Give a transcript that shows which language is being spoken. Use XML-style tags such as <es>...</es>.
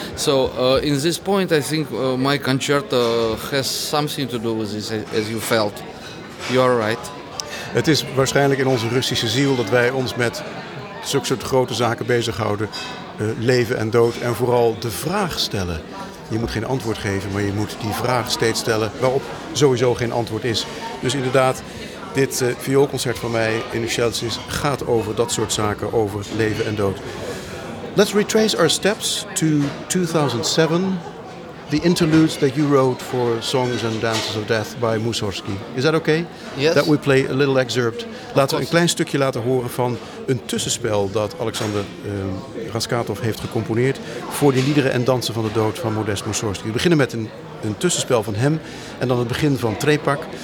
<en>So in this point I think my concerto has something to do with this, as you felt. You are right.</en> <nl>Het is waarschijnlijk in onze Russische ziel dat wij ons met zulke soort grote zaken bezighouden. Leven en dood en vooral de vraag stellen. Je moet geen antwoord geven, maar je moet die vraag steeds stellen waarop sowieso geen antwoord is. Dus inderdaad, dit vioolconcert van mij in Chelsea gaat over dat soort zaken, over leven en dood.</nl> <en>Let's retrace our steps to 2007, the interludes that you wrote for Songs and Dances of Death by Mussorgsky. Is that okay? Yes. That we play a little excerpt.</en> <nl>Laten we een klein stukje laten horen van een tussenspel dat Alexander Raskatov heeft gecomponeerd voor die liederen en dansen van de dood van Modest Mussorgsky. We beginnen met een tussenspel van hem en dan het begin van Trepak.</nl>